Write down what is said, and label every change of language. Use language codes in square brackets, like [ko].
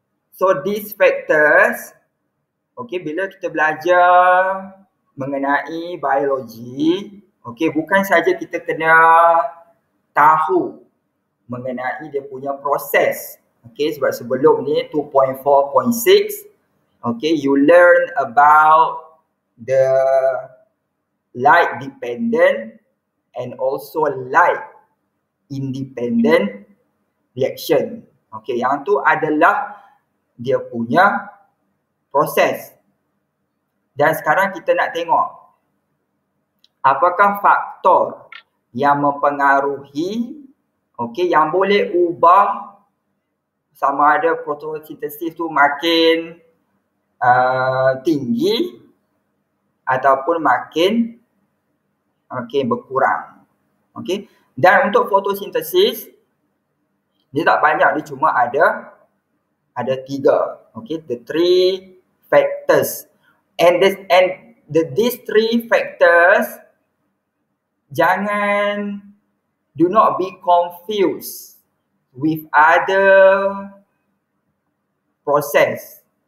[ms] So these factors, okay, bila kita belajar mengenai biologi, okay, bukan saja kita kena tahu mengenai dia punya proses. [en] Okay, [ms] sebab sebelum ni [en] 2.4.6, okay, you learn about the light dependent and also light independent reaction. [ms] Okay, yang tu adalah dia punya proses. Dan sekarang kita nak tengok apakah faktor yang mempengaruhi, okay, yang boleh ubah sama ada fotosintesis tu makin tinggi ataupun makin, okay, berkurang. Okay, dan untuk fotosintesis dia tak banyak, dia cuma ada 3. [en] Okay, the 3 factors. And these three factors, [ms] jangan, [en] do not be confused with other process.